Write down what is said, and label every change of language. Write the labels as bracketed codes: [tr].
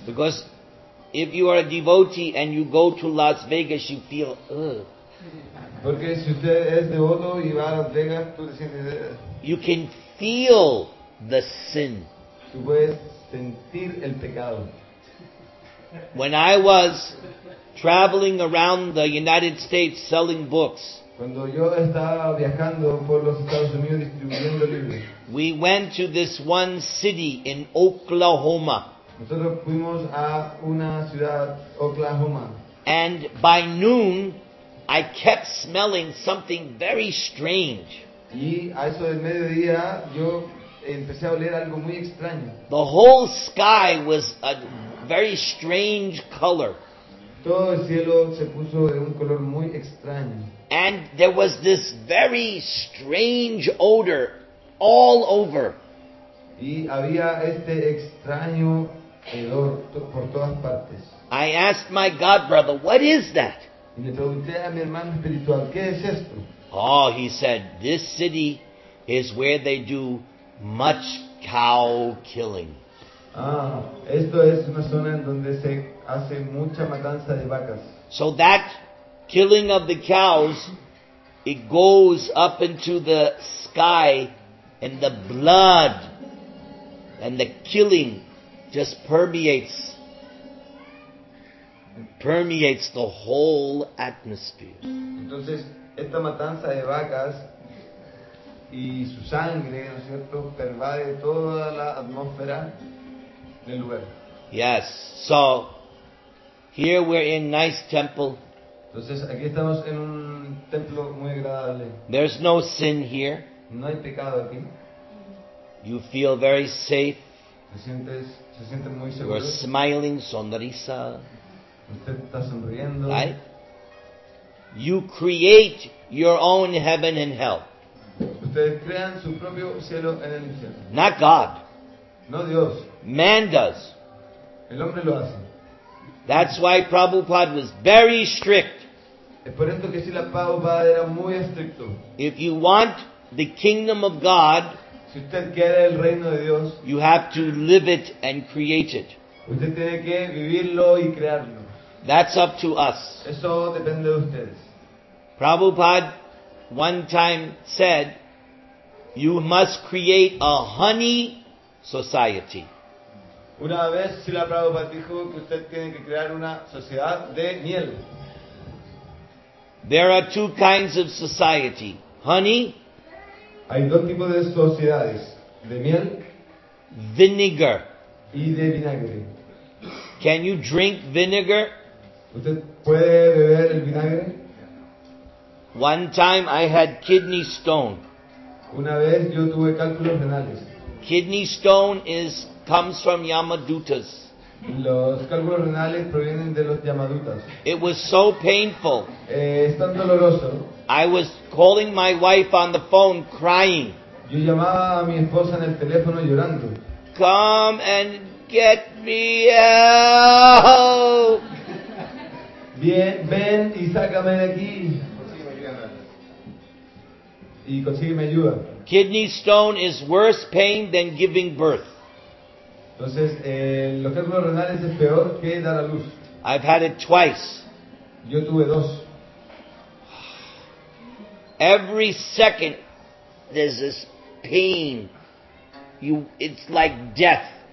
[en] Because if you are a devotee and you go to Las Vegas, you feel [es] Porque si usted es devoto y va a Las Vegas, tú te sientes [en] You can feel the sin. [es] Tú puedes sentir el pecado. [en] When I was traveling around the United States selling books, [es] cuando yo estaba viajando por los Estados Unidos distribuyendo libros, [en] we went to this one city in Oklahoma. [es] Nosotros fuimos a una ciudad, Oklahoma. [en] And by noon, I kept smelling something very strange. [es] Y a eso del mediodía, yo empecé a oler algo muy extraño. [en] The whole sky was a very strange color. [es] Todo el cielo se puso de un color muy extraño. [en] And there was this very strange odor all over. [es] Y había este extraño hedor por todas partes. [en] I asked my God brother, what is that? [es] Y le pregunté a mi hermano espiritual, ¿qué es esto? [en] Oh, he said, this city is where they do much cow killing. [es] Ah, esto es una zona en donde se hace mucha matanza de vacas. [en] So that killing of the cows, it goes up into the sky, and the blood and the killing just permeates the whole atmosphere. [es] Entonces, esta matanza de vacas y su sangre, ¿no es cierto?, pervade toda la atmósfera del lugar. [en] Yes. So here we're in nice temple. [es] Entonces aquí estamos en un templo muy agradable. [en] There's no sin here. [es] No hay pecado aquí. [en] You feel very safe. [es] Se siente muy seguro. [en] You're smiling, [es] sonrisa. Usted está sonriendo. [en] Right? You create your own heaven and hell. [es] Ustedes crean su propio cielo en el infierno. [en] Not God. [es] No Dios. [en] Man does. [es] El hombre lo hace. [en] That's why Prabhupada was very strict. [es] Es por esto que Srila Prabhupada era muy estricto. [en] If you want the kingdom of God, [es] si usted quiere el reino de Dios, [en] you have to live it and create it. [es] Usted tiene que vivirlo y crearlo. [en] That's up to us. [es] Eso depende de ustedes. [en] Prabhupada one time said, you must create a honey society. [es] Una vez Srila Prabhupada dijo que usted tiene que crear una sociedad de miel. [en] There are two kinds of society. Honey. [es] Hay dos tipos de sociedades. De miel. [en] Vinegar. [es] Y de vinagre. [en] Can you drink vinegar? [es] ¿Usted puede beber el vinagre? [en] One time I had kidney stone. [es] Una vez yo tuve cálculos renales. [en] Kidney stone comes from Yamadutas. [es] Los cálculos renales provienen de los Yamadutas. [en] It was so painful. [es] Es tan doloroso. [en] I was calling my wife on the phone crying. [es] Yo llamaba a mi esposa en el teléfono llorando. [en] Come and get me out. [es] Ven y sácame de aquí. Y consígueme ayuda. [en] Kidney stone is worse pain than giving birth. [es] Entonces, los cálculos renales es peor que dar a luz. [en] I've had it twice. [es] Yo tuve dos. [en] Every second there's this pain. It's like death.